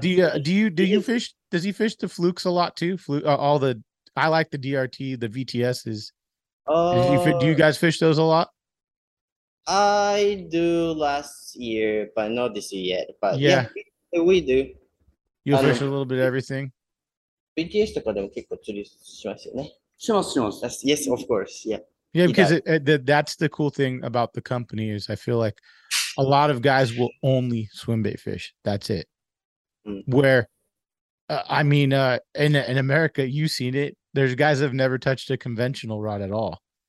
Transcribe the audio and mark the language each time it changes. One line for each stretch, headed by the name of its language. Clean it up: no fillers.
English: do you fish? Does he fish the flukes a lot too? I like the DRT, the VTSs. Do you guys fish those a lot? I do last year, but not this year yet. But yeah, we do. You fish a little bit of everything?
Japanese: BTS とかでも結構釣りしますよね。します、します。
English: Yes, of course. Yeah. Yeah, because that's the cool thing about the company is I feel like a lot of guys will only swim bait fish. That's it. Mm-hmm. Where, in America, you've seen it. There's guys that have never touched a conventional rod at all.